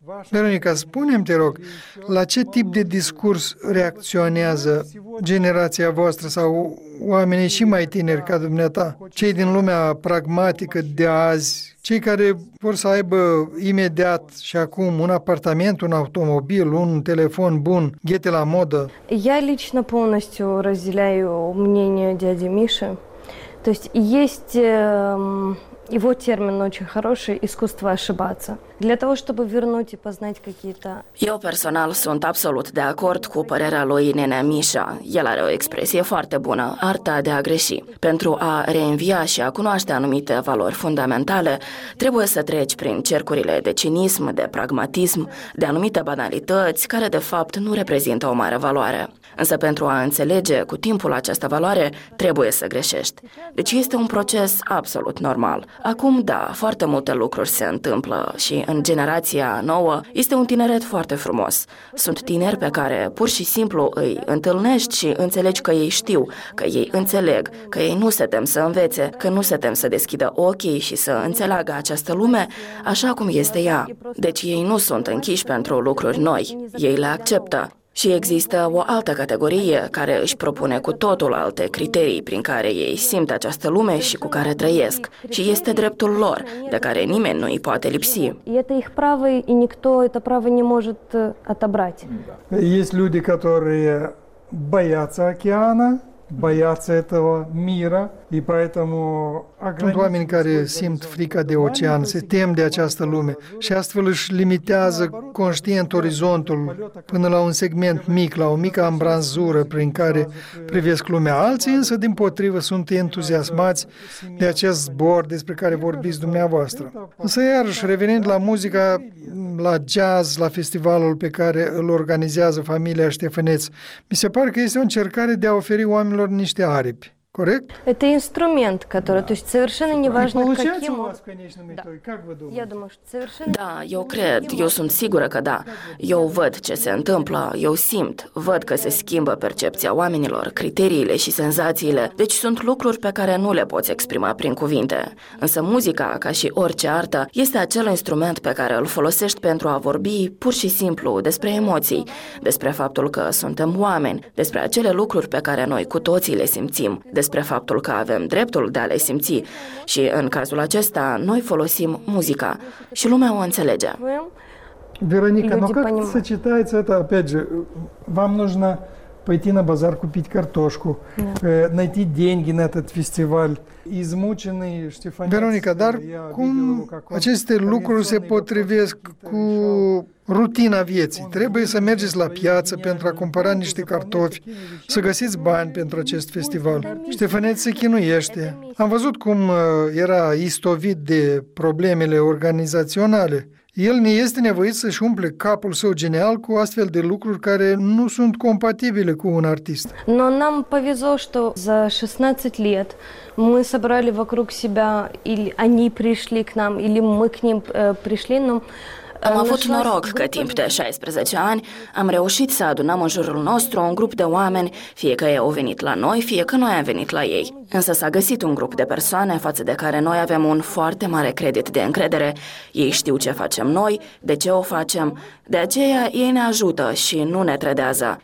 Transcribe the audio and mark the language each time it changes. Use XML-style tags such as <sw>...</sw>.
<ro>Veronica, spune-mi, te rog, la ce tip de discurs reacționează generația voastră sau oamenii și mai tineri ca dumneata, cei din lumea pragmatică de azi, cei care vor să aibă imediat și acum un apartament, un automobil, un telefon bun, ghete la modă?</ro> <ru>Я лично полностью разделяю мнение дяди Миши. То есть есть его термин очень хороший – искусство ошибаться. Для того, чтобы вернуть и познать какие-то...</ru> <ro>Eu personal sunt absolut de acord cu părerea lui Nenea Mișa. El are o expresie foarte bună, arta de a greși. Pentru a reînvia și a cunoaște anumite valori fundamentale, trebuie să treci prin cercurile de cinism, de pragmatism, de anumite banalități care, de fapt, nu reprezintă o mare valoare. Însă pentru a înțelege cu timpul această valoare, trebuie să greșești. Deci este un proces absolut normal. Acum, da, foarte multe lucruri se întâmplă și în generația nouă este un tineret foarte frumos. Sunt tineri pe care pur și simplu îi întâlnești și înțelegi că ei știu, că ei înțeleg, că ei nu se tem să învețe, că nu se tem să deschidă ochii și să înțeleagă această lume așa cum este ea. Deci ei nu sunt închiși pentru lucruri noi, ei le acceptă. Și există o altă categorie care își propune cu totul alte criterii prin care ei simt această lume și cu care trăiesc. Și este dreptul lor, de care nimeni nu îi poate lipsi. Este</ro> <ru>их право и никто это право не может отобрать. Есть люди, которые боятся океана, боятся этого мира, и поэтому</ru> <ro>sunt oameni care simt frica de ocean, se tem de această lume și astfel își limitează conștient orizontul până la un segment mic, la o mică ambranzură prin care privesc lumea. Alții însă, din potrivă, sunt entuziasmați de acest zbor despre care vorbiți dumneavoastră. Însă, iarăși, revenind la muzica, la jazz, la festivalul pe care îl organizează familia Ștefăneț, mi se pare că este o încercare de a oferi oamenilor niște aripi.</ro> <en>Correct?</en> <ru>Это инструмент, который, то есть совершенно неважно каким. Получается у вас, конечно, метод. Как вы думаете? Я думаю, что совершенно. Да,</ru> <ro>eu cred, eu sunt sigură că da. Eu văd ce se întâmplă, eu simt, văd că se schimbă percepția oamenilor, criteriile și senzațiile. Deci sunt lucruri pe care nu le poți exprima prin cuvinte. Însă muzica, ca și orice artă, este acel instrument pe care îl folosești pentru a vorbi pur și simplu despre emoții, despre faptul că suntem oameni, despre acele lucruri pe care noi cu toții le simțim. Despre faptul că avem dreptul de a le simți și în cazul acesta noi folosim muzica și lumea o înțelege.</ro> <ru>Veronica, no как сочетается это, опять же, вам нужно пойти на базар купить картошку, найти деньги на этот фестиваль. Измученный Штефан.</ru> <ro>Veronica, dar cum aceste lucruri se potrivesc cu rutina vieții? Trebuie să mergeți la piață pentru a cumpăra niște cartofi, să găsiți bani pentru acest festival. Ștefăneț se chinuiește. Am văzut cum era istovit de problemele organizaționale. El ne este nevoit să-și umple capul său genial cu astfel de lucruri care nu sunt compatibile cu un artist.</ro> <ru>Но нам повезло, что за 16 лет мы собрали вокруг себя, или они пришли к нам, или мы к ним пришли, но</ru> <ro>am avut noroc că timp de 16 ani am reușit să adunăm în jurul nostru un grup de oameni, fie că ei au venit la noi, fie că noi am venit la ei. Însă s-a găsit un grup de persoane față de care noi avem un foarte mare credit de încredere. Ei știu ce facem noi, de ce o facem. De aceea ei ne ajută și nu ne trădează.</ro>